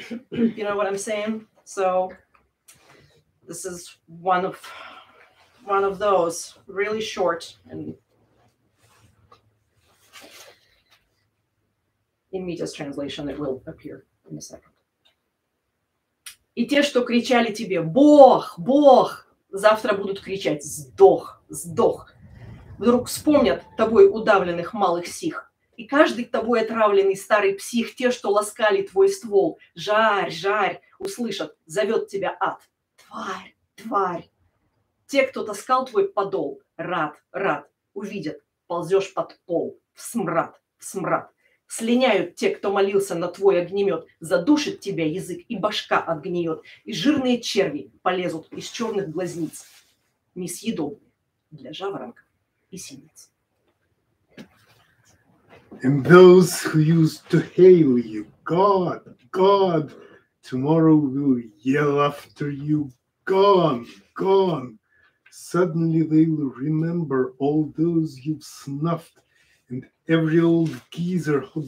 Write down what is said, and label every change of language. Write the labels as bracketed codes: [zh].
[en] You know what I'm saying? So this is one of those, really short and in Митя's translation it will appear in a second. [ru] И те, что кричали тебе «Бог! Бог!», завтра будут кричать «Сдох! Сдох!». Вдруг вспомнят тобой удавленных малых сих. И каждый тобой отравленный старый псих, те, что ласкали твой ствол, жарь, жарь, услышат, зовет тебя ад. Тварь, тварь. Те, кто таскал твой подол, рад, рад, увидят, ползешь под пол, в смрад, в смрад. Слиняют те, кто молился на твой огнемет, задушит тебя язык, и башка отгниет, и жирные черви полезут из черных глазниц, несъедобные для жаворонка и синиц. [en] And those who used to hail you, God, God, tomorrow will yell after you, gone, gone. Suddenly they will remember all those you've snuffed and every old geezer